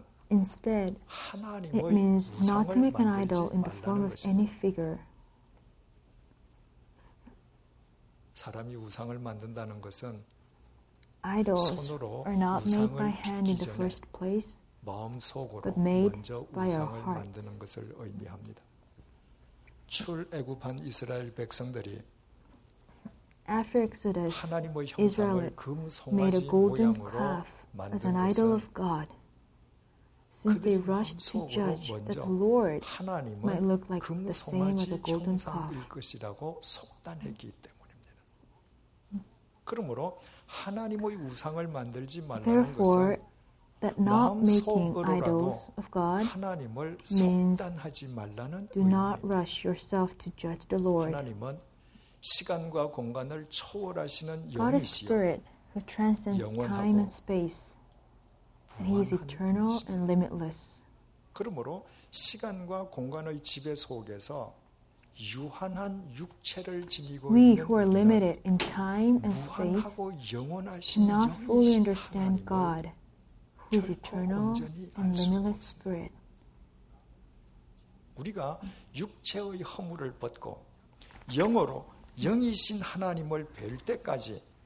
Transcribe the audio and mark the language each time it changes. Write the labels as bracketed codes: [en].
[en] Instead, it means not to make an idol in the form of any figure. [ko] 사람이 우상을 만든다는 것은 [en] idols are not made by hand in the first place, but made by our hearts. [ko] 출애굽한 이스라엘 백성들이 [en] After Exodus, [ko] 하나님의 형상을 금송아지 모양으로 만든 것은 [en] Since they rushed to judge that the Lord might look like the same as a golden calf. Therefore, that not making idols of God means do not rush yourself to judge the Lord. God is spirit who transcends time and space, and he is eternal and limitless. [ko] 그러므로 시간과 공간의 지배 속에서 유한한 육체를 지니고 [en] We who are limited in time and space cannot fully understand God. His eternal and limitless spirit. [ko] 우리가 육체의 허물을 벗고 영으로 영이신 하나님을 뵐 때까지